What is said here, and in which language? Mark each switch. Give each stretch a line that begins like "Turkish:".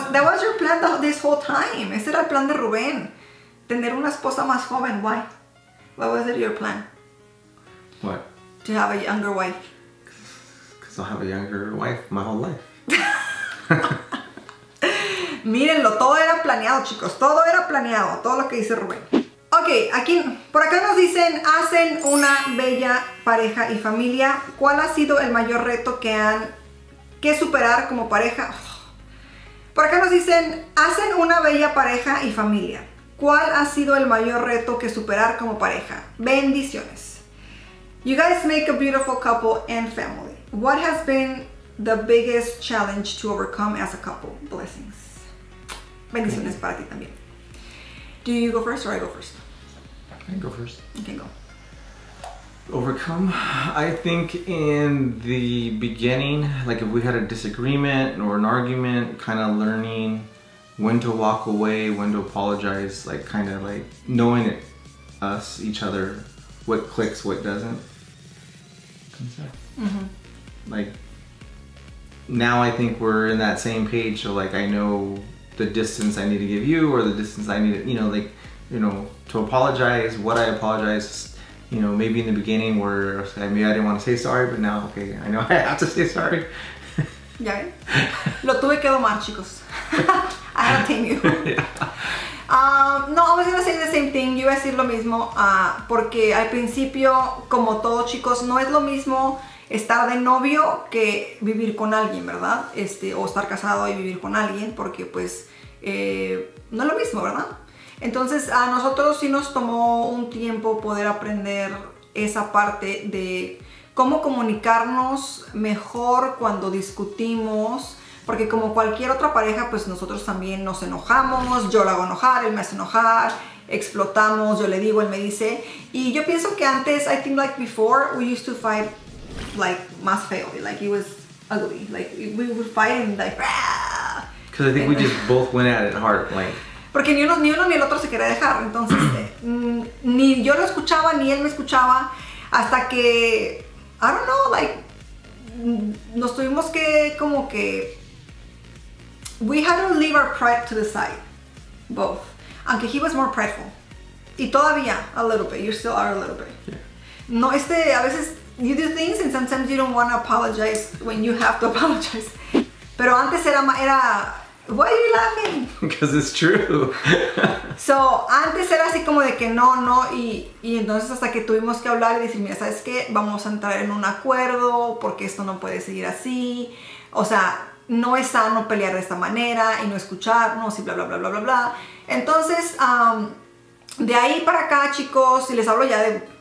English: That was your plan this whole time.
Spanish: Ese era el plan de Rubén. Tener una esposa más joven.
English: Why? What was it your plan? What? To have a younger wife. Because I'll have a younger wife my whole life.
Spanish: Mírenlo, todo era planeado, chicos. Todo era planeado, todo lo que dice Rubén. Ok, aquí, por acá nos dicen, hacen una bella pareja y familia. ¿Cuál ha sido el mayor reto que han que superar como pareja? Por acá nos dicen, hacen una bella pareja y familia. ¿Cuál ha sido el mayor reto que superar como pareja? Bendiciones.
English: You guys make a beautiful couple and family. What has been the biggest challenge to overcome as a couple? Blessings.
Spanish: Bendiciones para ti también.
English: Do you go first or I go first? I can go first. You can go. Overcome. I think in the beginning, like if we had a disagreement or an argument, kind of learning when to walk away, when to apologize, like kind of like knowing it, us, each other, what clicks, what doesn't. Mm-hmm. Like now I think we're in that same page, so like I know the distance I need to give you or the distance I need to, you know, like, you know, to apologize, what I apologize, you know, maybe in the beginning where maybe I didn't want to say sorry, but now, okay, I know I have to say sorry. Yeah.
Spanish: Lo tuve que domar, chicos.
English: I don't think you. Yeah. No, I was going to say the same thing.
Spanish: Yo iba a decir lo mismo, porque al principio, como todo, chicos, no es lo mismo estar de novio que vivir con alguien, ¿verdad? O estar casado y vivir con alguien, porque pues no es lo mismo, ¿verdad? Entonces a nosotros sí nos tomó un tiempo poder aprender esa parte de cómo comunicarnos mejor cuando discutimos, porque como cualquier otra pareja, pues nosotros también nos enojamos, yo la hago enojar, él me hace enojar, explotamos, yo le digo, él me dice. Y yo pienso que antes,
English: I think like before, we used to fight like
Spanish: más feo,
English: like it was ugly, like we would fight and like because I think we just both went at it hard, like
Spanish: porque ni uno ni el otro se quería dejar, entonces ni yo lo escuchaba ni él me escuchaba hasta que
English: I don't know, like
Spanish: nos tuvimos que como que
English: we had to leave our pride to the side,
Spanish: both, aunque
English: he was more prideful
Spanish: y todavía
English: a little bit, you still are a little bit, yeah.
Spanish: No, a veces
English: you do things and sometimes you don't want to apologize when you have to apologize.
Spanish: Pero antes era...
English: Why are you laughing? Because it's true.
Spanish: So, antes era así como de que no. Y entonces hasta que tuvimos que hablar y decir, mira, ¿sabes qué? Vamos a entrar en un acuerdo porque esto no puede seguir así. O sea, no es sano pelear de esta manera y no escucharnos y bla, bla, bla, bla, bla, bla. Entonces, de ahí para acá, chicos, y les hablo ya de